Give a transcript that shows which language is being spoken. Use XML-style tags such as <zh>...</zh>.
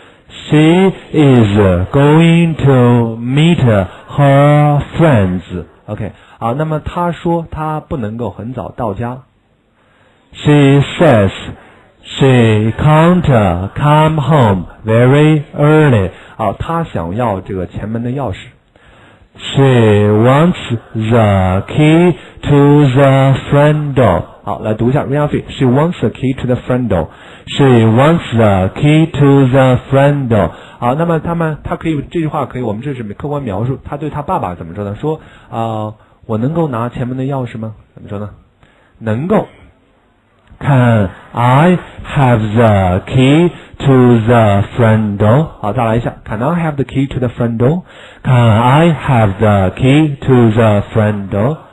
<en>She is going to meet her friends.</en> <zh>OK， 好，那么他说他不能够很早到家。</zh> <en>She says she can't come home very early.</en> <zh>好，他想要这个前门的钥匙。</zh> <en>She wants the key to the front door.</en> <zh>好，来读一下 Rafi.</zh> <en>She wants the key to the front door. She wants the key to the front door.</en> <zh>好，那么他可以，这句话可以，我们这是客观描述。他对他爸爸怎么说呢？说啊、我能够拿前门的钥匙吗？怎么说呢？能够。</zh> <en>Can I have the key to the front door?</en> <zh>好，再来一下。</zh> <en>Can I have the key to the front door? Can I have the key to the front door?</en>